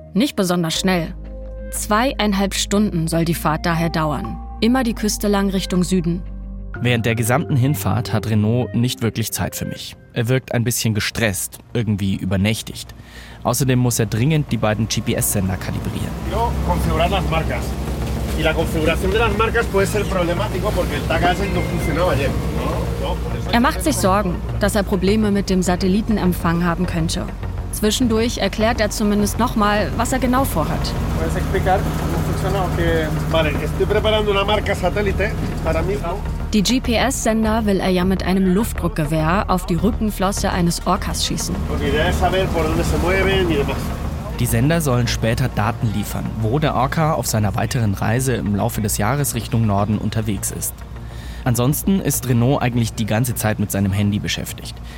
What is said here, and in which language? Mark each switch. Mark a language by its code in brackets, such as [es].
[de] Nicht besonders schnell. 2,5 Stunden soll die Fahrt daher dauern. Immer die Küste lang Richtung Süden. Während der gesamten Hinfahrt hat Renault nicht wirklich Zeit für mich. Er wirkt ein bisschen gestresst, irgendwie übernächtigt. Außerdem muss er dringend die beiden GPS-Sender kalibrieren. [es] Quiero configurar las marcas. Y la configuración de las marcas puede ser problemático porque el TAC no funcionaba ayer. [de] Er macht sich Sorgen, dass er Probleme mit dem Satellitenempfang haben könnte. Zwischendurch erklärt er zumindest nochmal, was er genau vorhat. [es] ¿Puedes explicar cómo funciona? Vale, estoy preparando una marca satélite para mí. [de] Die GPS-Sender will er ja mit einem Luftdruckgewehr auf die Rückenflosse eines Orcas schießen. Die Sender sollen später Daten liefern, wo der Orca auf seiner weiteren Reise im Laufe des Jahres Richtung Norden unterwegs ist. Ansonsten ist Renault eigentlich die ganze Zeit mit seinem Handy beschäftigt.